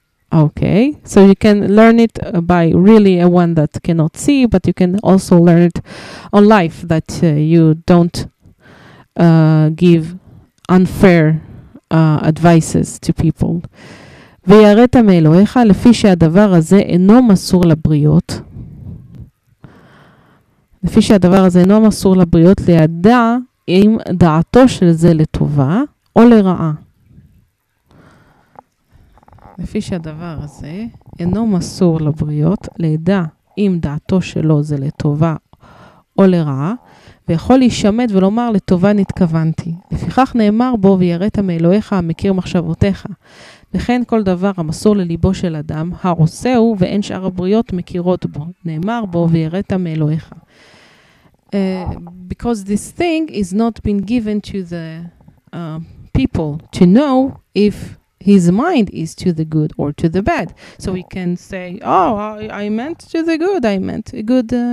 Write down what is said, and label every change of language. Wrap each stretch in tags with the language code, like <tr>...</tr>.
<en>Okay, so you can learn it by really a one that cannot see, but you can also learn it on life that you don't give unfair advices to people.</en> <he>ויראת מאלוהיך לפי שהדבר הזה אינו מסור לבריות. לפי שהדבר הזה אינו מסור לבריות לידע אם דעתו של זה לטובה או לרעה. לפי שהדבר הזה אינו מסור לבריות, לידע אם דעתו שלו זה לטובה או לרעה, ויכול להישמד ולומר לטובה נתכוונתי. לפיכך נאמר בו ויראת מאלוהיך המכיר מחשבותיך. וכן כל דבר המסור לליבו של אדם, הרוסהו ואין שאר הבריות מכירות בו. נאמר בו ויראת מאלוהיך.</he> <en>Because this thing is not been given to the people to know if his mind is to the good or to the bad. So we can say, oh, I meant to the good, I meant a good.</en>